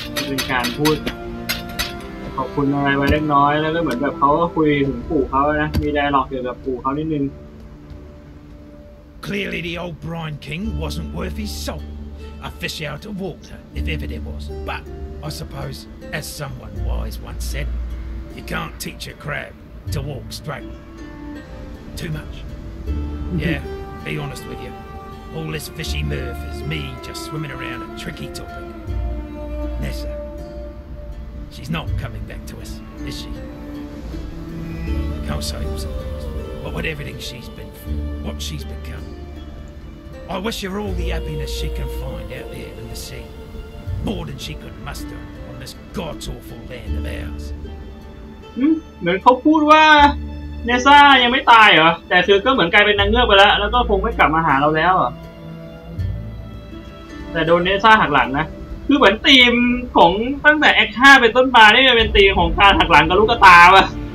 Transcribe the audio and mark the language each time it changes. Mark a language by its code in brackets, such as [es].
[th] ป็นการพูดขอบคุณอะไรไว้เล็กน้อยแล้วก็เหมือนแบบเขาก็คุยถึงปู่เขานะมีไดร์ล็อกเกี่ยวกับปู่เขานิดนึง [en] Clearly the old Brine King wasn't worth his salt A fish out of water if ever there was But I suppose as someone wise once said You can't teach a crab to walk straight Too much Yeah, be honest with you All this fishy mirth is me just swimming around a tricky topic Nessa She's not coming back to us, is she? Can't say I'm surprised, but with everything she's been through, what she's become, I wish her all the happiness she can find out there in the sea, more than she could muster on this god-awful land of ours. [th] เหมือนเขาพูดว่าเนซ่ายังไม่ตายเหรอแต่คือก็เหมือนกลายเป็นนางเงือกไปแล้วแล้วก็คงไม่กลับมาหาเราแล้วแต่โดนเนซ่าหักหลังนะคือเหมือนธีมของตั้งแต่แอค5เป็นต้นมานี่เป็นธีมของการหักหลังกับลูกตาป่ะ